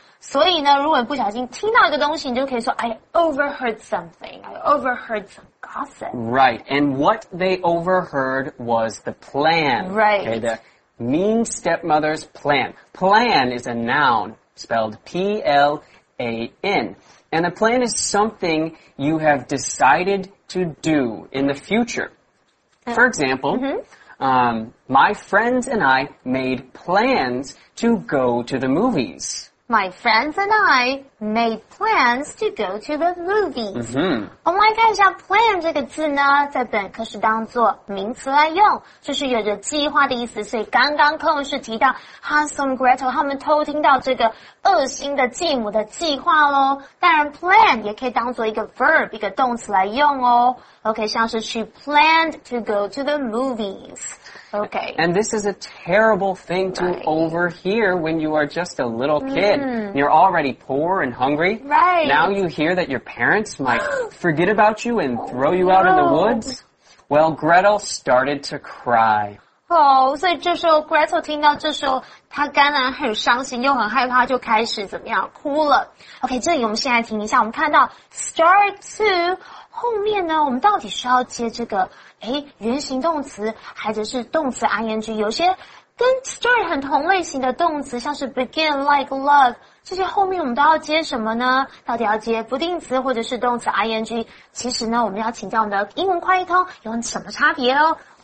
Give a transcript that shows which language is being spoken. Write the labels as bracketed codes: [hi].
[zh] 所以呢如果你不小心听到一个东西你就可以说 [en] I overheard something, I overheard some gossip. Right, and what they overheard was the plan. Right. Okay, the mean stepmother's plan. Plan is a noun spelled P-L-A-N. And a plan is something you have decided to do in the future. For example, my friends and I made plans to go to the movies. My friends and I made plans to go to the movies. Mm-hmm. [zh] 我们来看一下 plan 这个字呢在本课是当作名词来用就是有着计划的意思所以刚刚课文是提到 Hansel and Gretel 他们偷听到这个恶心的继母的计划咯当然 plan 也可以当作一个 verb 一个动词来用哦 OK 像是 [en] she planned to go to the moviesOkay. And this is a terrible thing to overhear when you are just a little kid. Mm. You're already poor and hungry. Right. Now you hear that your parents might forget about you and throw you out in the woods. Well, Gretel started to cry. [zh] Oh, 所以这时候 Gretel 听到这时候她当然很伤心又很害怕就开始怎么样哭了。 Okay, 这里我们先来听一下我们看到 start to... 后面呢我们到底需要接这个原形动词还者是动词 ing 有些跟 start 很同类型的动词像是 begin, like, love 这些后面我们都要接什么呢到底要接不定词或者是动词 ing 其实呢我们要请教我们的英文快译通有什么差别哦